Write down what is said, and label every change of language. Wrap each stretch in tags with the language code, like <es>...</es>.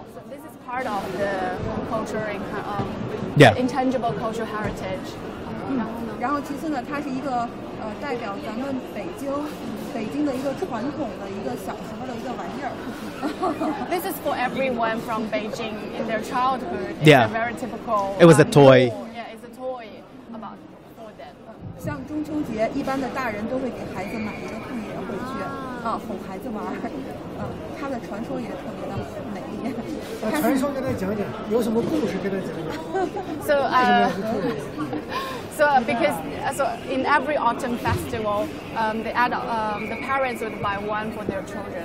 <en>This is part of the culture in, intangible cultural heritage.</en> <zh>然后其次呢，它是一个代表咱们北京的一个传统的一个小时候的一个玩意儿。</zh> <en>This is for everyone from Beijing in their childhood. Yeah. It's a very typical. It was a toy. Yeah, it's a toy about for them.</en> <zh>像中秋节，一般的大人都会给孩子买一个兔爷回去，哄孩子玩。它的传说也特别的美。传说跟他讲讲，有什么故事跟他讲讲。</zh> <en>So in every autumn festival, the parents would buy one for their children.</en>